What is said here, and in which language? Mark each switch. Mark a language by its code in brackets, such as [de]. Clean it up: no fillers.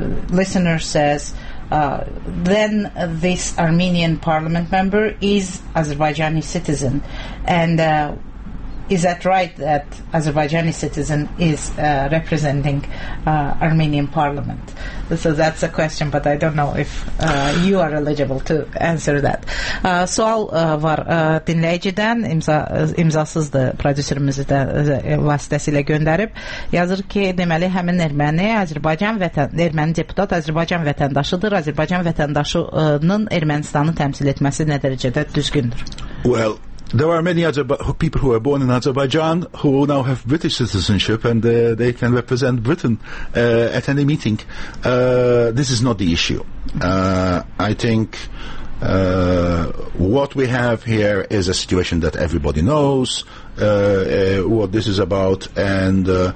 [en] Listener says, then this Armenian parliament member is Azerbaijani citizen, and is that right that Azerbaijani citizen is representing Armenian parliament? So that's a question, but I don't know if you are eligible to answer that. [az] Sual var dinləyiciden, imzasız da prodüserimizi de vasitəsilə göndərib. Yazır ki, deməli, həmin erməni erməni deputat Azərbaycan vətəndaşıdır. Azərbaycan vətəndaşının Ermənistanı təmsil etməsi nə dərəcədə düzgündür? [en] Well, there are many other people who are born in Azerbaijan who now have British citizenship and they can represent Britain at any meeting. This is not the issue. I think what we have here is a situation that everybody knows what this is about, and